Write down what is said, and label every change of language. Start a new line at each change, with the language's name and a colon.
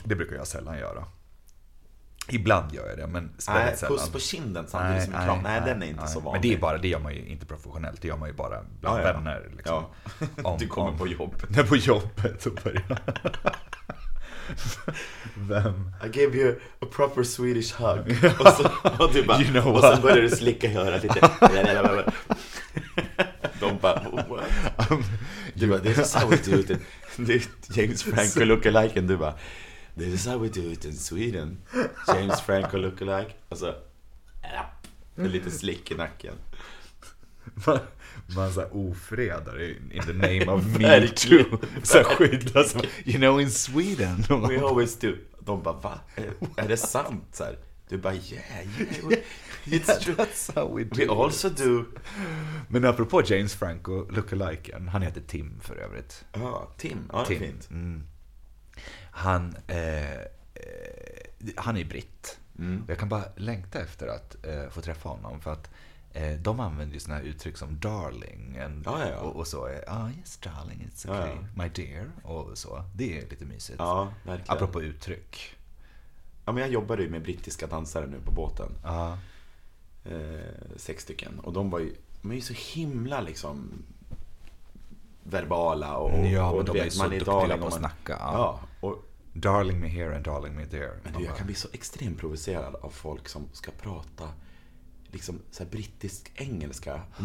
Swedish: Det brukar jag sällan göra. Ibland gör jag det, men speciellt sällan. Puss på kinden samtidigt som en kram. Nej, den är inte så vanlig. Men det är bara, det gör man ju inte professionellt. Det gör man ju bara bland vänner. Liksom. Ja. Du kommer på jobbet. När på jobbet så börjar vem?
English: I gave you a proper Swedish hug.
Swedish: Och du bara,
English: you know what?
Swedish: Och sen börjar du slicka i örat lite. De bara, what? Du bara,
English: this is how we do it.
Swedish: Det är James Franco look-alike. Du bara...
English: this is how we do it in Sweden.
Swedish: James Franco lookalike. Alltså, en liten slick i nacken. Man såhär ofredar
English: in the name of me too.
Swedish: Så skydda som,
English: you know, in Sweden. We always do.
Swedish: De bara, va? Är det sant? Så här, du bara, yeah.
English: It's yeah, true. That's how we do it. We also do.
Swedish: Men apropå James Franco lookalike, han heter Tim för övrigt. Ja, Tim. Ja, Tim. Fint. Mm. Han är ju britt. Mm. Jag kan bara längta efter att få träffa honom. För att de använder ju sådana här uttryck som darling.
English: And,
Swedish: och så är
English: yes darling, it's okay. My dear.
Swedish: Och så. Det är lite mysigt. Ja, verkligen. Apropå uttryck. Ja, men jag jobbade ju med brittiska dansare nu på båten. Sex stycken. Och de var ju så himla liksom... verbala och, ja, och men de vet, är så man är darling på att snacka. Ja. Ja, och, darling me here and darling me there. Men du, jag kan bli så extremt provocerad av folk som ska prata liksom så här brittisk engelska.